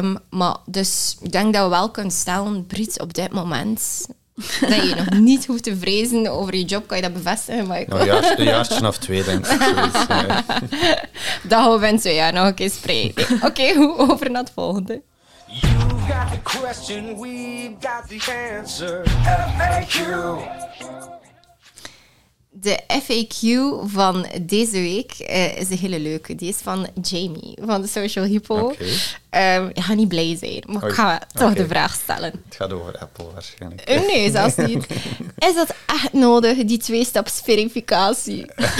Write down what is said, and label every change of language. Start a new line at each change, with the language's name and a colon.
Dutch: Maar dus ik denk dat we wel kunnen stellen, Brit, op dit moment... Dat je nog niet hoeft te vrezen over je job, kan je dat bevestigen, Michael? Nou, een jaartje of twee, denk ik. Dat gaan we in 2 jaar nog een keer spreken. Oké, over naar het volgende.
English: You've got the question, we've got the answer. FAQ.
Dutch: De FAQ van deze week is een hele leuke. Die is van Jamie, van de Social Hippo.
English: Okay.
Dutch: Ik ga niet blij zijn, maar ik ga toch de vraag stellen. Het gaat over Apple waarschijnlijk. Nee, zelfs niet. Is dat echt nodig, die twee-staps-verificatie?